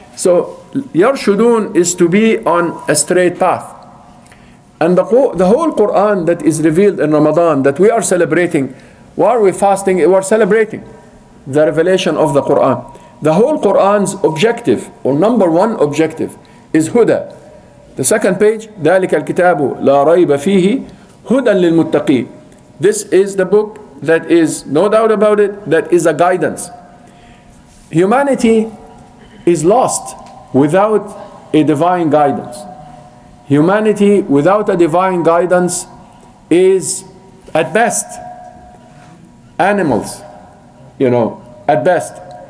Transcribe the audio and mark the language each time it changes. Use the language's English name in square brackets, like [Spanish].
[English] So yarshudun is to be on a straight path. And the whole Quran that is revealed in Ramadan that we are celebrating, why are we fasting? We're celebrating the revelation of the Quran. The whole Quran's objective, or number one objective, is huda. The second page, [Arabic] ذلك الكتاب لا ريب فيه هدى للمتقين. [English] This is the book that is, no doubt about it, that is a guidance. Humanity is lost without a divine guidance. Humanity without a divine guidance is, at best, animals, you know, at best.